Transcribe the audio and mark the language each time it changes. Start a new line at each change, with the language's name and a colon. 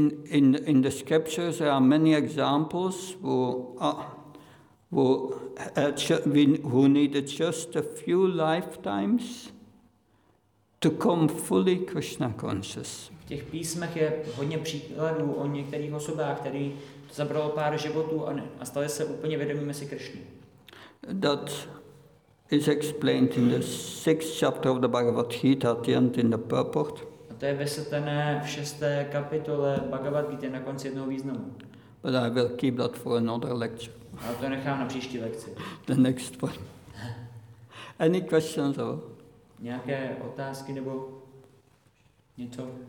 English: In the scriptures there are many examples who needed just a few lifetimes to come fully Krishna conscious.
Czech: V těch písmech je hodně příkladů o některých osobách, který zabralo pár životů a stali se úplně vědomými si Krishny.
English: That is explained in the sixth chapter of the Bhagavad Gita at the end in the purport.
Czech: To je vysvětlené v 6. kapitole Bhagavad Gita na konci jednoho významu.
English: But I will keep that for another lecture.
Czech: Ale to nechám na příští lekci.
English: The next one. Any questions or?
Czech: Nějaké otázky nebo něco?